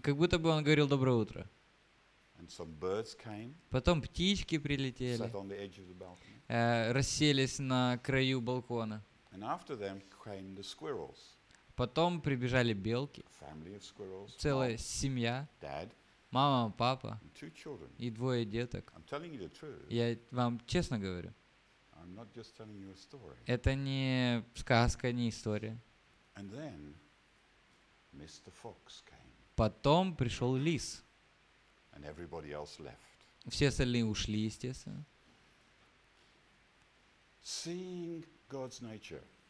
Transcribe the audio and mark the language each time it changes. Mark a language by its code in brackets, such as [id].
[ru] Как будто бы он говорил доброе утро. [en] And some birds came. [ru] Потом птички прилетели. [en] Sat on the edge of the balcony. [ru] Расселись на краю балкона. [en] And after them came the squirrels. [ru] Потом прибежали белки. [en] A family of squirrels. [ru] Целая семья. [en] Dad. [ru] Мама, папа [en] and two children. [ru] И двое деток. [en] I'm telling you the truth. [ru] Я вам честно говорю. [en] I'm not just telling you a story. [ru] Это не сказка, не история. [en] And then Mr. Fox came. [ru] Потом пришел лис. [en] And everybody else left. [ru] Все остальные ушли, естественно. [en] Seeing God's nature.